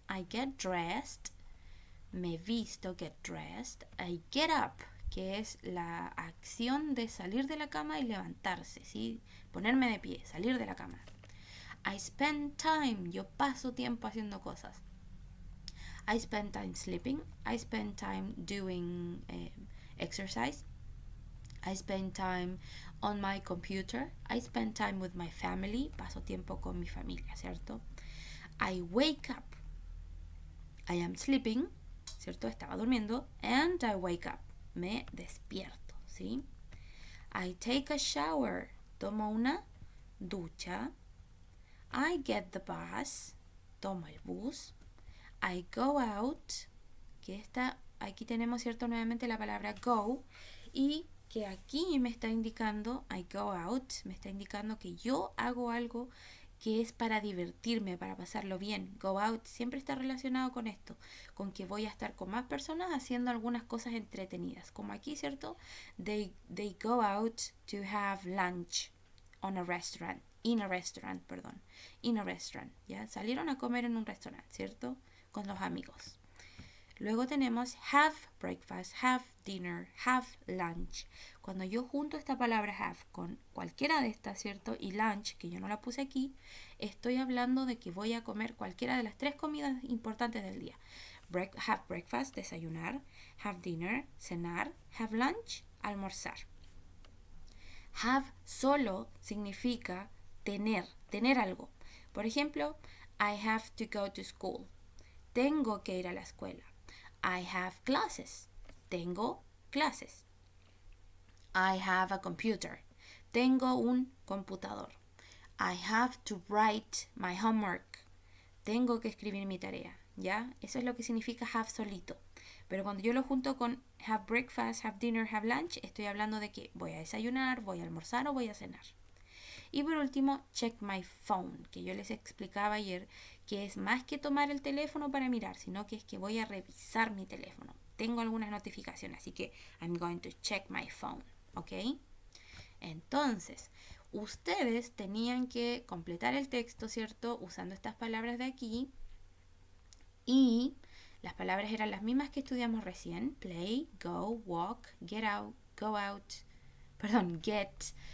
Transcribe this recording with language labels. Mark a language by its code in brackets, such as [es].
[en] I get dressed, [es] me visto, [en] get dressed. I get up, [es] que es la acción de salir de la cama y levantarse, ¿sí? Ponerme de pie, salir de la cama. [en] I spend time, [es] yo paso tiempo haciendo cosas. [en] I spend time sleeping. I spend time doing exercise. I spend time on my computer. I spend time with my family. [es] Paso tiempo con mi familia, ¿cierto? [en] I wake up. I am sleeping, ¿cierto? [es] Estaba durmiendo. [en] And I wake up. [es] Me despierto, [en] ¿sí? I take a shower. [es] Tomo una ducha. [en] I get the bus, [es] tomo el bus. [en] I go out, [es] que está, aquí tenemos, cierto, nuevamente la palabra go, y que aquí me está indicando, I go out, me está indicando que yo hago algo que es para divertirme, para pasarlo bien. Go out siempre está relacionado con esto, con que voy a estar con más personas haciendo algunas cosas entretenidas, como aquí, cierto, [en] they go out to have lunch on a restaurant. In a restaurant, [es] perdón. In a restaurant. ¿Ya? Salieron a comer en un restaurante, ¿cierto? Con los amigos. Luego tenemos have breakfast, have dinner, have lunch. Cuando yo junto esta palabra have con cualquiera de estas, ¿cierto? Y lunch, que yo no la puse aquí, estoy hablando de que voy a comer cualquiera de las tres comidas importantes del día. Have breakfast, desayunar. Have dinner, cenar. Have lunch, almorzar. Have solo significa tener algo. Por ejemplo, [en] I have to go to school. [es] Tengo que ir a la escuela. [en] I have classes. [es] Tengo clases. [en] I have a computer. [es] Tengo un computador. [en] I have to write my homework. [es] Tengo que escribir mi tarea. ¿Ya? Eso es lo que significa have solito. Pero cuando yo lo junto con have breakfast, have dinner, have lunch, estoy hablando de que voy a desayunar, voy a almorzar o voy a cenar. Y por último, check my phone, que yo les explicaba ayer que es más que tomar el teléfono para mirar, sino que es que voy a revisar mi teléfono. Tengo algunas notificaciones, así que [en] I'm going to check my phone, [es] ¿ok? Entonces, ustedes tenían que completar el texto, ¿cierto? Usando estas palabras de aquí. Y las palabras eran las mismas que estudiamos recién. [en] Play, go, walk, get out, go out, perdón, get.